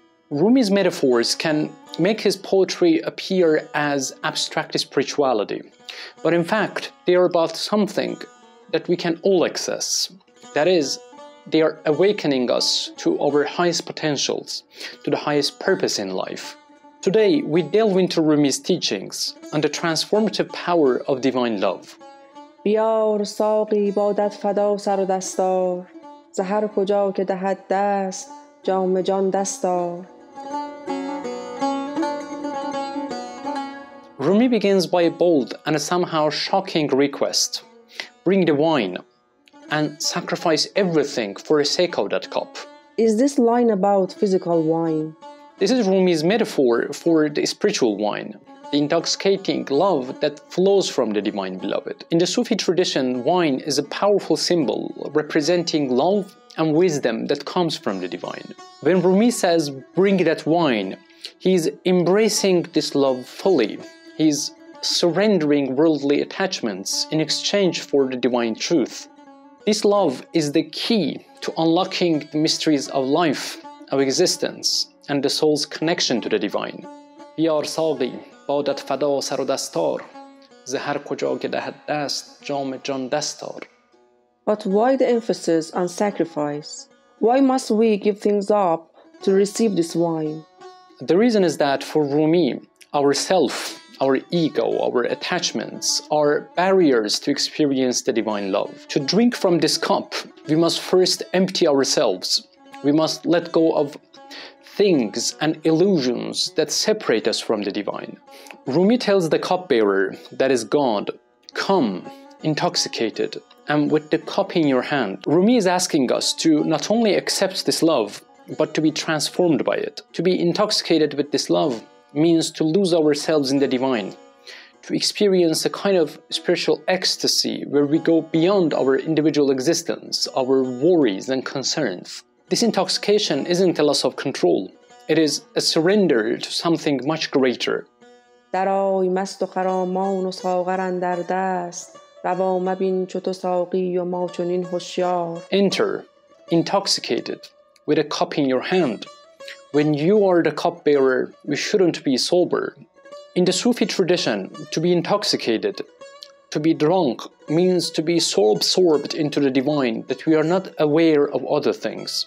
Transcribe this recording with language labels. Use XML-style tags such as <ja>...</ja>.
<en>Rumi's metaphors can make his poetry appear as abstract spirituality, but in fact, they are about something that we can all access. That is, they are awakening us to our highest potentials, to the highest purpose in life. Today, we delve into Rumi's teachings on the transformative power of divine love.</en> <fa>بیار ساقی بادت فدا سر و دستار زهر کجا که دهد دست جام جان دستار.</fa> <en>Rumi begins by a bold and a somehow shocking request. Bring the wine and sacrifice everything for the sake of that cup. Is this line about physical wine? This is Rumi's metaphor for the spiritual wine, the intoxicating love that flows from the divine beloved. In the Sufi tradition, wine is a powerful symbol representing love and wisdom that comes from the divine. When Rumi says, bring that wine, he's embracing this love fully. He's surrendering worldly attachments in exchange for the divine truth. This love is the key to unlocking the mysteries of life, of existence, and the soul's connection to the divine.</en> <fa>بیار ساقی بادت فدا سر و دستار زهر کجا که دهد دست جام جان دستار.</fa> <en>But why the emphasis on sacrifice? Why must we give things up to receive this wine? The reason is that for Rumi, our self, our ego, our attachments are barriers to experience the divine love. To drink from this cup, we must first empty ourselves. We must let go of things and illusions that separate us from the divine. Rumi tells the cupbearer, that is God, come, intoxicated, and with the cup in your hand. Rumi is asking us to not only accept this love, but to be transformed by it. To be intoxicated with this love means to lose ourselves in the divine, to experience a kind of spiritual ecstasy where we go beyond our individual existence, our worries and concerns. This intoxication isn't a loss of control. It is a surrender to something much greater.</en> <fa>درای مست و خرامان و ساغر اندر دست روا مبین چو تو ساقی و ما چنین هوشیار.</fa> <en>Enter, intoxicated, with a cup in your hand. When you are the cup bearer, you shouldn't be sober. In the Sufi tradition, to be intoxicated, to be drunk, means to be so absorbed into the divine that we are not aware of other things.</en>